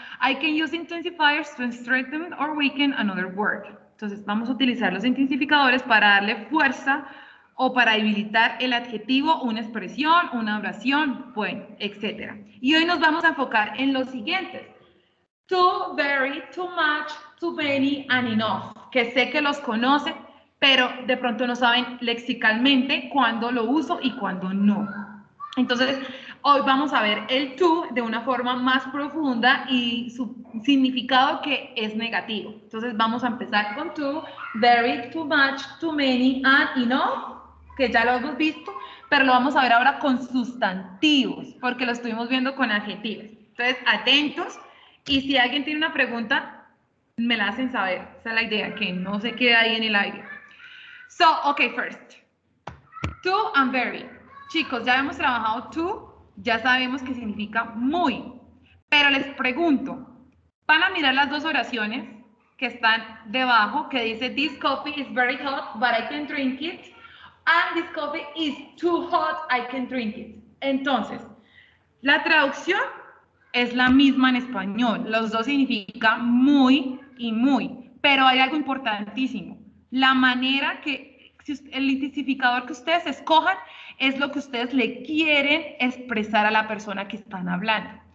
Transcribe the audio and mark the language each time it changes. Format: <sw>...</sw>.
<en>I can use intensifiers to strengthen or weaken another word.</en> <es>Entonces vamos a utilizar los intensificadores para darle fuerza o para debilitar el adjetivo, una expresión, una oración, bueno, etc. Y hoy nos vamos a enfocar en los siguientes.</es> <en>Too, very, too much, too many, and enough.</en> <es>Que sé que los conocen, pero de pronto no saben lexicalmente cuándo lo uso y cuándo no. Entonces, hoy vamos a ver el too de una forma más profunda y su significado que es negativo. Entonces, vamos a empezar con too, very, too much, too many, and enough, que ya lo hemos visto, pero lo vamos a ver ahora con sustantivos, porque lo estuvimos viendo con adjetivos. Entonces, atentos. Y si alguien tiene una pregunta, me la hacen saber. Esa es la idea, que no se quede ahí en el aire.</es> <en>So, okay, first. Too and very.</en> <es>Chicos, ya hemos trabajado too, ya sabemos que significa muy. Pero les pregunto, van a mirar las dos oraciones que están debajo, que dice,</es> <en>this coffee is very hot, but I can drink it. And this coffee is too hot, I can drink it.</en> <es>Entonces, la traducción es la misma en español. Los dos significan muy y muy. Pero hay algo importantísimo. La manera que el intensificador que ustedes escojan es lo que ustedes le quieren expresar a la persona que están hablando.</es>